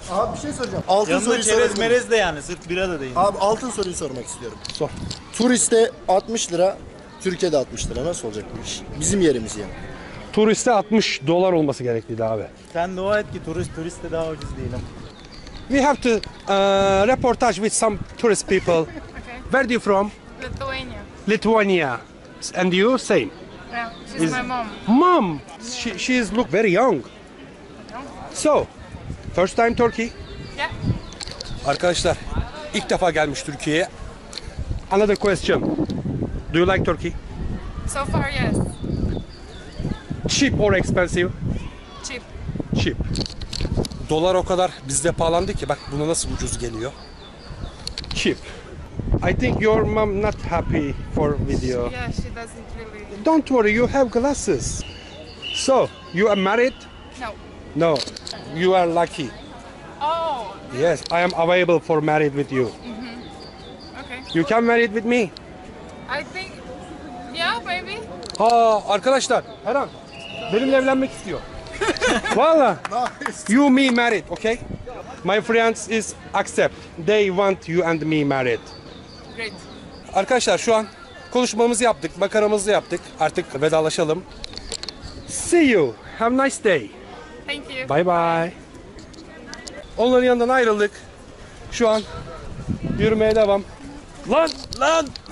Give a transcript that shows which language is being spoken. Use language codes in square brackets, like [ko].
[tr] Abi bir şey söyleyeceğim. Altın soruyu sorayım. Yanında çerez merez de yani, sırf bira da değil. Abi altın soruyu sormak istiyorum. Sor. Turiste 60 lira, Türkiye'de 60 lira. Nasıl olacak bu iş? Bizim yerimiz yani. Turiste 60 dolar olması gerekliydi abi. Sen dua et ki turiste daha ucuz değilim. [en] We have to reportage with some tourist people. Okay. Where do you from? Lithuania. Lithuania. And you same? Yeah, she's is my mom. Mom? She is look very young. Young. So, first time Turkey? Yeah. [tr] Arkadaşlar, ilk defa gelmiş Türkiye'ye. [en] Another question. Do you like Turkey? So far, yes. Cheap or expensive? Cheap. Cheap. [tr] Dolar o kadar bizde pahalandı ki, bak buna nasıl ucuz geliyor. [en] Cheap. I think your mom not happy for video. Yeah, she doesn't really. Don't worry, you have glasses. So, you are married? No. No, you are lucky. Oh. Yes, I am available for married with you. Mm-hmm. Okay. You can married with me? I think, yeah, maybe. [tr] Ha, arkadaşlar, Erhan, benimle evlenmek istiyor. Valla. [en] Nice. You, me, married, okay? My friends is accept. They want you and me married. Great. [tr] Arkadaşlar şu an konuşmamızı yaptık, makaramızı yaptık. Artık vedalaşalım. [en] See you. Have a nice day. Thank you. Bye bye. [tr] Onların yanından ayrıldık. Şu an yürümeye devam. Lan lan!